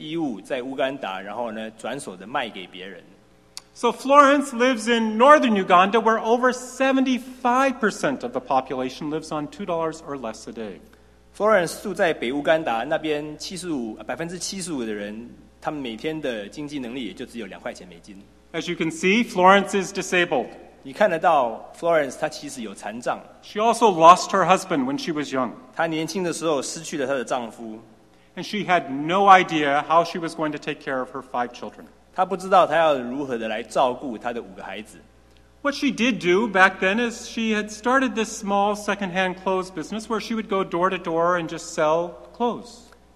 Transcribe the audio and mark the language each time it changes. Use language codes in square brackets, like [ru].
[zh] 很多人拿着你们所捐献的衣物在乌干达，然后呢，转手的卖给别人。 [en] So Florence lives in northern Uganda, where over 75% of the population lives on $2 or less a day. [zh] Florence住在北乌干达，那边75%的人，他们每天的经济能力也就只有2块钱美金。 [en] As you can see, Florence is disabled. [zh] 你看得到，Florence她其实有残障。 [en] She also lost her husband when she was young. [zh] 她年轻的时候失去了她的丈夫。 [en] And she had no idea how she was going to take care of her 5 children. [zh] 她不知道她要如何的来照顾她的5个孩子。 [en] What she did do back then is she had started this small second-hand clothes business where she would go door to door and just sell clothes.